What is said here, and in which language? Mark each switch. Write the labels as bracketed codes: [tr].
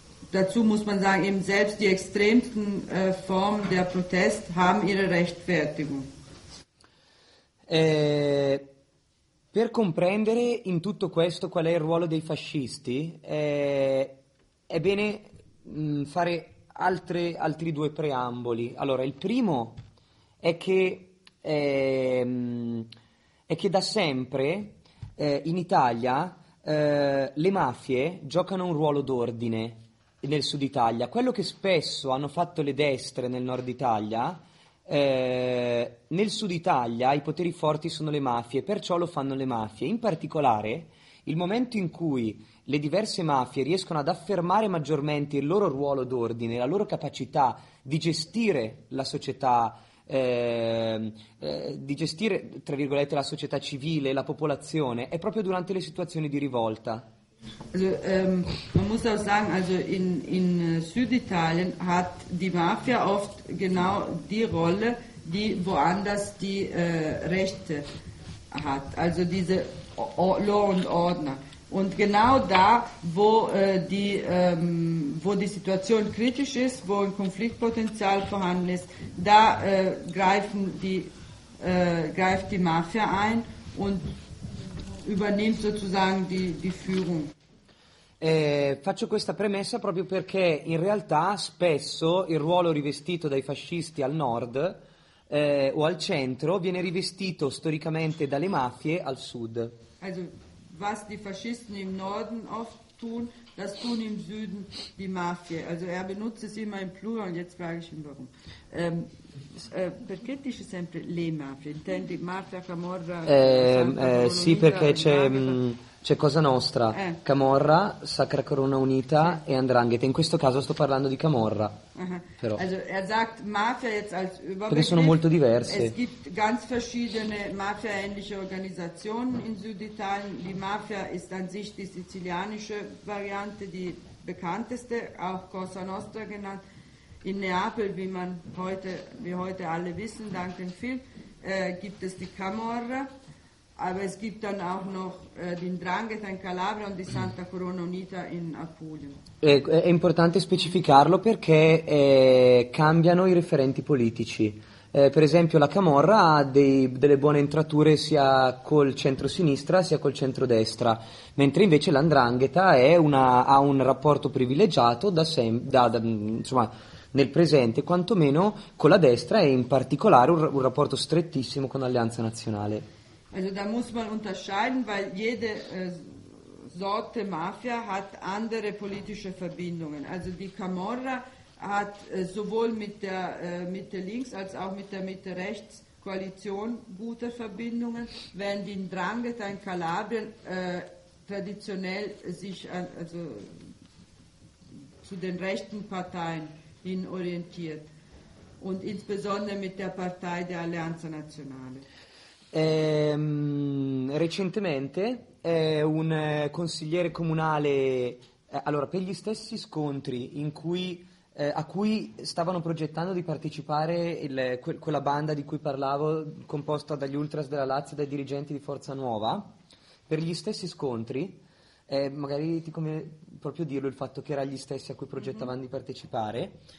[de] Dazu muss man sagen, eben selbst die extremsten Formen der Protest haben ihre Rechtfertigung. [it] Per comprendere in tutto questo qual è il ruolo dei fascisti, è bene fare altri due preamboli. Allora, il primo è che da sempre in Italia le mafie giocano un ruolo d'ordine nel sud Italia. Quello che spesso hanno fatto le destre nel nord Italia, nel sud Italia i poteri forti sono le mafie, perciò lo fanno le mafie. In particolare, Il momento in cui le diverse mafie riescono ad affermare maggiormente il loro ruolo d'ordine, la loro capacità di gestire la società, di gestire, tra virgolette, la società civile, la popolazione, è proprio durante le situazioni di rivolta. [de] Also, man muss auch sagen, also in Süditalien hat die Mafia oft genau die Rolle, die woanders die Rechte hat, also diese Law und Ordner. Und genau da, wo die Situation kritisch ist, wo ein Konfliktpotenzial vorhanden ist, da greift die Mafia ein und übernimmt sozusagen die Führung. [it] Faccio questa premessa proprio perché in realtà spesso il ruolo rivestito dai fascisti al nord o al centro viene rivestito storicamente dalle mafie al sud. [de] Also, was die Faschisten im Norden oft tun, das tun im Süden die Mafie. Also, er benutzt es immer im Plural und jetzt frage ich ihn warum. [it] Perché dice sempre le mafie? Intendi mafia, camorra? Sì, perché c'è. C'è Cosa Nostra, Camorra, Sacra Corona Unita e Andrangheta. In questo caso sto parlando di Camorra. Uh-huh. Però. [de] Also, er sagt Mafia jetzt als Überbegriff. [it] Perché sono molto diverse. [de] Es gibt ganz verschiedene mafia-ähnliche Organisationen in Süditalien. Die Mafia ist an sich die sizilianische Variante, die bekannteste, auch Cosa Nostra genannt. In Neapel, wie heute alle wissen, dank dem Film, gibt es die Camorra. Aber es gibt dann auch noch den Drangheta in Calabria und die Santa Corona Unita in Apulia. [it] È importante specificarlo perché cambiano i referenti politici. Per esempio la Camorra ha delle buone entrature sia col centro-sinistra sia col centro-destra, mentre invece l'Andrangheta ha un rapporto privilegiato insomma, nel presente, quantomeno con la destra e in particolare un rapporto strettissimo con l'Alleanza Nazionale. [de] Also da muss man unterscheiden, weil jede Sorte Mafia hat andere politische Verbindungen. Also die Camorra hat sowohl mit der Mitte-Links- als auch mit der Mitte-Rechts-Koalition gute Verbindungen, während die Ndrangheta in Kalabrien traditionell sich also zu den rechten Parteien hin orientiert und insbesondere mit der Partei der Alleanza Nazionale. [it] Recentemente un consigliere comunale, allora, per gli stessi scontri a cui stavano progettando di partecipare quella banda di cui parlavo, composta dagli ultras della Lazio e dai dirigenti di Forza Nuova, per gli stessi scontri, magari ti conviene proprio dirlo il fatto che era gli stessi a cui progettavano di partecipare.